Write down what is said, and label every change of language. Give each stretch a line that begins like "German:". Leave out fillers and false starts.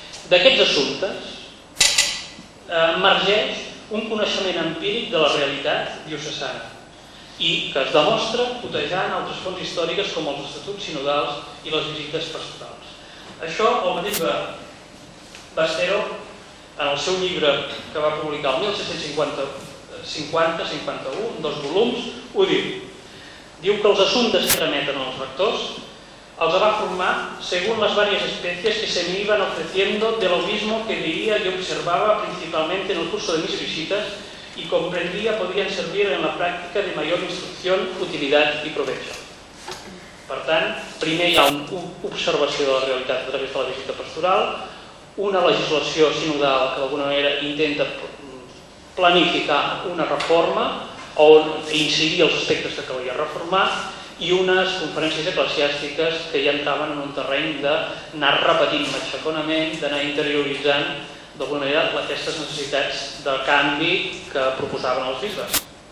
Catalan: D'aquests assumptes, emergeix un coneixement empíric de la realitat diocesana i que es demostra cotejant altres fonts històriques com els estatuts sinodals i les visites pastorals. Això, el mateix que Bastero, en el seu llibre que va publicar el 1650-51, dos volums, ho diu. Diu que els assumptes que remeten als rectors els va formar
Spanish: según las varias especies que se me iban ofreciendo del obispo que veía y observaba principalmente en el curso de mis visitas y comprendía podían servir en la práctica de mayor instrucción, utilidad y provecho.
Catalan: Per tant, primer hi ha una observació de la realitat a través de la visita pastoral, una legislació sinodal que d'alguna manera intenta planificar una reforma o incidir els aspectes que calia reformar, i unes conferències eclesiàstiques que ja entraven en un terreny d'anar repetint matxaconament, d'anar interioritzant d'alguna manera aquestes necessitats de canvi que proposaven els bisbes.